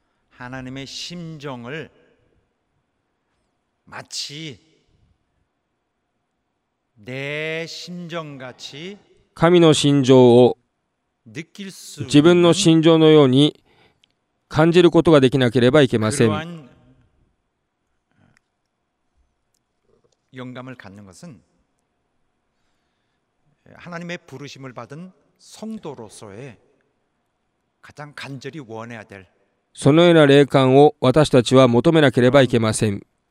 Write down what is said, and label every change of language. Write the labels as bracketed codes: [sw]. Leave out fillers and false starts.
[ko] 하나님의 심정을 마치 내 심정같이 [ja] 神の心情を自分の心情のように感じることができなければいけません。 [ko] 영감을 갖는 것은 하나님의 부르심을 받은 성도로서의 가장 간절히 원해야 될 [ja] そのような霊感を私たちは求めなければいけません。